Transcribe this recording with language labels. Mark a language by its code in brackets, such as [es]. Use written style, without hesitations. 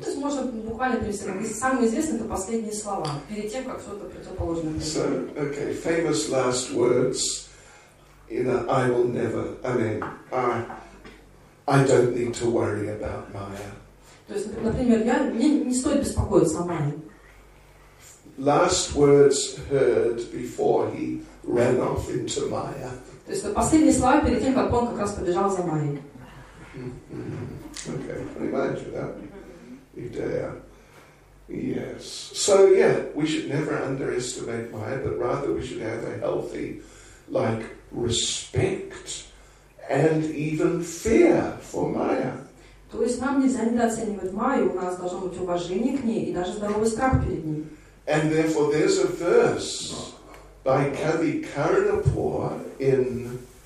[ru] То есть можно буквально перевести. Самое известное это последние слова перед тем, как что-то противоположное. [en] So, okay, famous last words. You know, I will never. I mean, I don't need to worry about Maya. [ru] То есть, например, мне не стоит беспокоиться о Майе. [en] Last words heard before he ran off into Maya. [ru] То есть, последние слова перед тем, как он как раз побежал за Майей. [en] Okay, pretty much that idea. Yes. So yeah, we should never underestimate Maya, but rather we should have a healthy, like, respect and even fear for Maya. [ru] То есть нам нельзя недооценивать Майю. У нас должно быть уважение к ней и даже здоровый страх перед ней. [en] And therefore, there's a verse by Kavi Karnapur in.